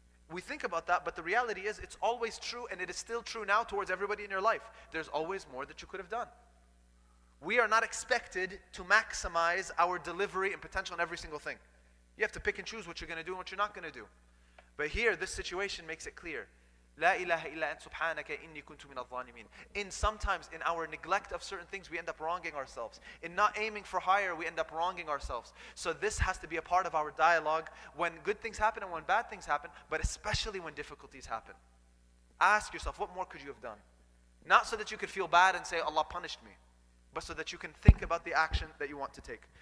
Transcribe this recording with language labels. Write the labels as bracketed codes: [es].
[en] We think about that, but the reality is it's always true, and it is still true now towards everybody in your life. There's always more that you could have done. We are not expected to maximize our delivery and potential in every single thing. You have to pick and choose what you're going to do and what you're not going to do. But here, this situation makes it clear. [ar] لا إله إلا أنت سبحانك إني كنت من الظالمين. [en] In sometimes, in our neglect of certain things, we end up wronging ourselves. In not aiming for higher, we end up wronging ourselves. So this has to be a part of our dialogue when good things happen and when bad things happen, but especially when difficulties happen. Ask yourself, what more could you have done? Not so that you could feel bad and say, Allah punished me, but so that you can think about the action that you want to take.